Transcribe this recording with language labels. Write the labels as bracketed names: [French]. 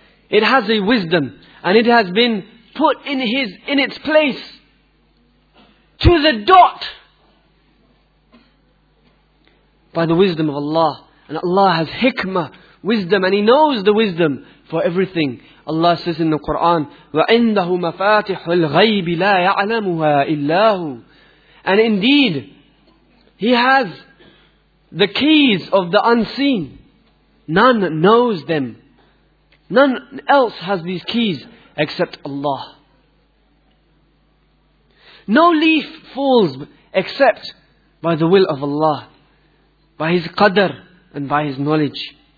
[English] It has a wisdom, and it has been put in its place to the dot by the wisdom of Allah. And Allah has hikmah, wisdom, and He knows the wisdom for everything. Allah says in the Quran, [Arabic] وَعِنْدَهُ مَفَاتِحُ الْغَيْبِ لَا يَعْلَمُهَا إِلَّاهُ. [English] And indeed, He has the keys of the unseen. None knows them. None else has these keys except Allah. No leaf falls except by the will of Allah, by His qadr and by His knowledge.